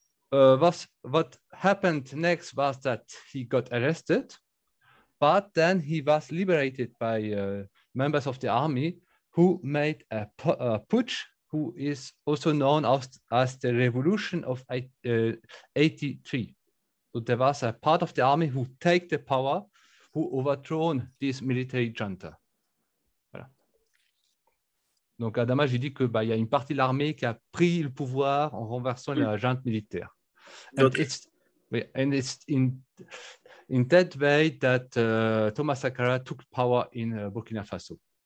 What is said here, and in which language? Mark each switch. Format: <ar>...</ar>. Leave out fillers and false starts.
<en>What happened next was that he got arrested, but then he was liberated by members of the army who made a putsch, who is also known as the Revolution of 83. So there was a part of the army who take the power, who overthrown this military junta.</en> <fr>Voilà. Donc Adama, j'ai dit que il y a une partie de l'armée qui a pris le pouvoir en renversant la junte militaire.</fr> <en>And it's in that way that Thomas Sankara took power in Burkina Faso.</en>